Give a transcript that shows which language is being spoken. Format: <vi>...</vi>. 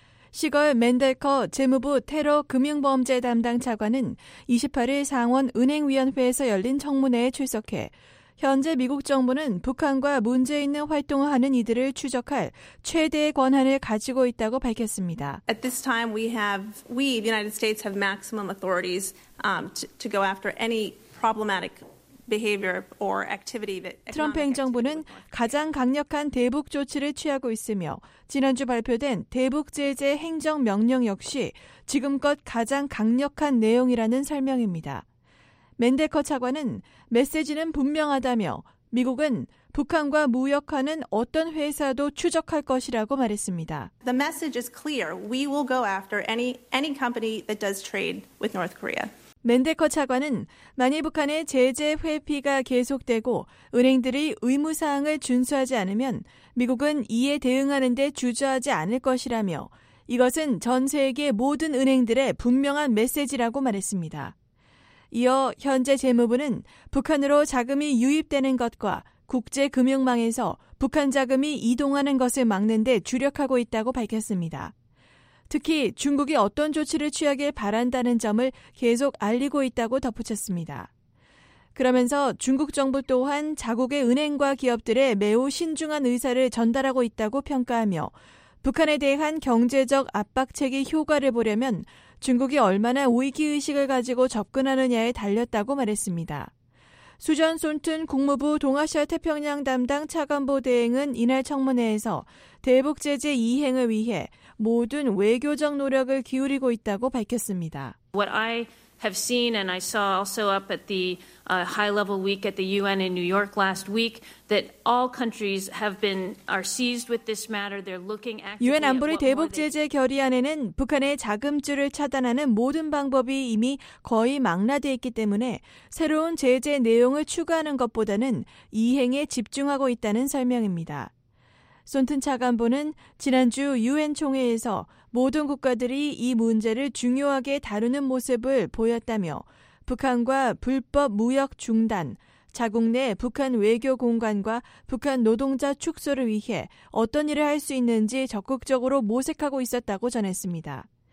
<ko>시걸 맨델커 재무부 테러 금융범죄 담당 차관은 28일 상원은행위원회에서 열린 청문회에 출석해 현재 미국 정부는 북한과 문제 있는 활동을 하는 이들을 추적할 최대의 권한을 가지고 있다고 밝혔습니다.</ko> <en>At this time we the United States have maximum authorities to go after any problematic behavior or activity that</en> <ko>트럼프 행정부는 가장 강력한 대북 조치를 취하고 있으며 지난주 발표된 대북 제재 행정 명령 역시 지금껏 가장 강력한 내용이라는 설명입니다. 맨데커 차관은 메시지는 분명하다며 미국은 북한과 무역하는 어떤 회사도 추적할 것이라고 말했습니다.</ko> <en>The message is clear. We will go after any company that does trade with North Korea.</en> <ko>맨데커 차관은 만일 북한의 제재 회피가 계속되고 은행들이 의무사항을 준수하지 않으면 미국은 이에 대응하는 데 주저하지 않을 것이라며 이것은 전 세계 모든 은행들의 분명한 메시지라고 말했습니다. 이어 현재 재무부는 북한으로 자금이 유입되는 것과 국제금융망에서 북한 자금이 이동하는 것을 막는 데 주력하고 있다고 밝혔습니다. 특히 중국이 어떤 조치를 취하길 바란다는 점을 계속 알리고 있다고 덧붙였습니다. 그러면서 중국 정부 또한 자국의 은행과 기업들에 매우 신중한 의사를 전달하고 있다고 평가하며 북한에 대한 경제적 압박책의 효과를 보려면 중국이 얼마나 위기의식을 가지고 접근하느냐에 달렸다고 말했습니다. 수전 솔튼 국무부 동아시아 태평양 담당 차관보 대행은 이날 청문회에서 대북 제재 이행을 위해 모든 외교적 노력을 기울이고 있다고 밝혔습니다.</ko> <en>What I have seen and I saw also up at the high level week at the UN in New York last week that all countries have been are seized with this matter. They're looking at</en> <ko>유엔 안보리 대북 제재 결의안에는 북한의 자금줄을 차단하는 모든 방법이 이미 거의 망라돼 있기 때문에 새로운 제재 내용을 추가하는 것보다는 이행에 집중하고 있다는 설명입니다. 손튼 차관보는 지난주 유엔 총회에서 모든 국가들이 이 문제를 중요하게 다루는 모습을 보였다며 북한과 불법 무역 중단, 자국 내 북한 외교 공관과 북한 노동자 축소를 위해 어떤 일을 할 수 있는지 적극적으로 모색하고 있었다고 전했습니다.</ko>